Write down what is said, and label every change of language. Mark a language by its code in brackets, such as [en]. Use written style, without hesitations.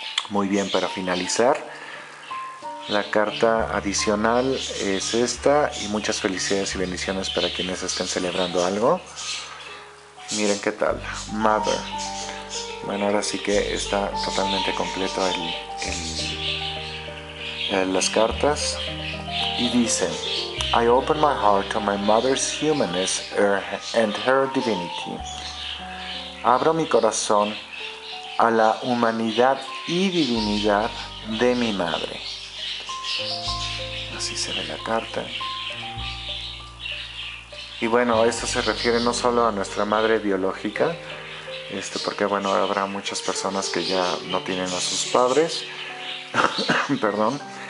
[es] Muy bien, para finalizar, la carta adicional es esta, y muchas felicidades y bendiciones para quienes estén celebrando algo. Miren qué tal, Mother. Bueno, ahora sí que está totalmente completo las cartas. Y dice, [en] I open my heart to my mother's humanness and her divinity. [es] Abro mi corazón a la humanidad y divinidad de mi madre. Así se ve la carta. Y bueno, esto se refiere no solo a nuestra madre biológica, porque bueno, habrá muchas personas que ya no tienen a sus padres, perdón.